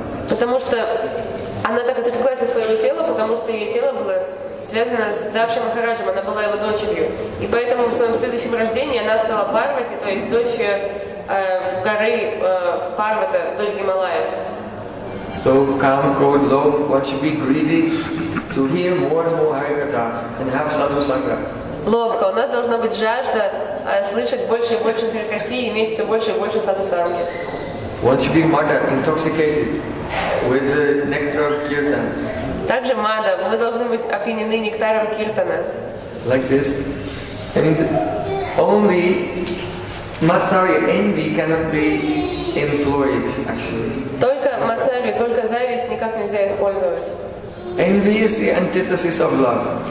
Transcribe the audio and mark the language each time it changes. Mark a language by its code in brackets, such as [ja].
[ru] Потому что она так отреклась от своего тела, потому что её тело было связано с Дакшей Махараджем, она была его дочерью. И поэтому в своём следующем рождении она стала Парвати, то есть дочь горы Парвата, дочь Гималаев. [en] So come, God, love, one should be greedy to hear more and more Harikatha and have Sadhu Sangha. [ru] Ловко, у нас должна быть жажда слышать больше и больше Харикатхи и иметь все больше и больше Sadhu Sangha. [en] One should be mada, intoxicated with the nectar of kirtans. [ru] Также мада, мы должны быть опьянены нектаром киртана. [en] Like this. And only matsarya, envy cannot be employed, actually. [ru] Только зависть никак нельзя использовать. [en] Envy is the antithesis of love.